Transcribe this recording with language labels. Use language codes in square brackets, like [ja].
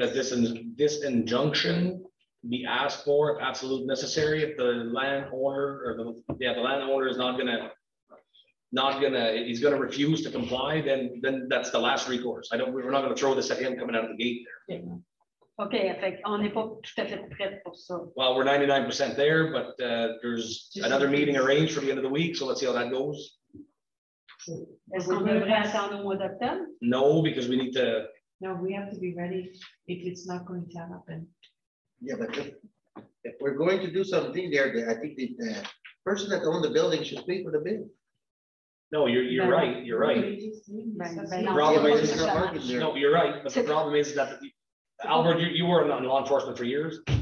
[en] That this injunction be asked for if absolutely necessary, if the landowner or the landowner is not going to not gonna, he's gonna refuse to comply, then that's the last recourse. We're not gonna throw this at him coming out of the gate there. Yeah. [fr] Okay, on n'est pas tout à fait prêt pour ça. [en] Well, we're 99% there, but there's just another meeting arranged for the end of the week, so let's see how that goes. [fr] Est-ce qu'on devrait attendre au mois d'octobre? [en] No, because we need to. No, we have to be ready if it's not going to happen. Yeah, but if we're going to do something there, I think the person that owned the building should pay for the bill. No, you're right. You're right. The problem is that Albert, you were in law enforcement for years.